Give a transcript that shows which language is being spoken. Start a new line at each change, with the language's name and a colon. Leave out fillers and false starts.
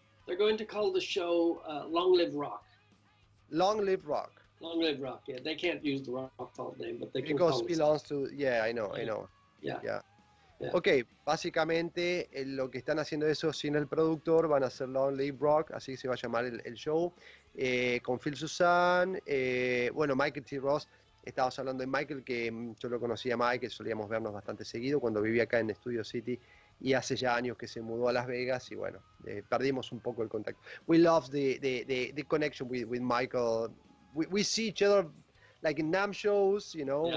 English: They're going to call the show Long Live Rock. Long Live Rock. Long Live Rock, yeah. They can't use the Rock Vault name, but they because can call belongs it. To, yeah, I know, yeah. I know. Yeah. Yeah. Yeah.
Spanish: Ok, básicamente lo que están haciendo eso sin el productor, van a hacer Long Live Rock, así se va a llamar el show, con Phil Suzanne, Michael T. Ross. Estabas hablando de Michael, que yo lo conocía a Michael, solíamos vernos bastante seguido cuando vivía acá en Studio City, y hace ya años que se mudó a Las Vegas, y bueno, perdimos un poco el contacto.
English: We love the connection with Michael. We see each other like in NAMM shows, you know, yeah.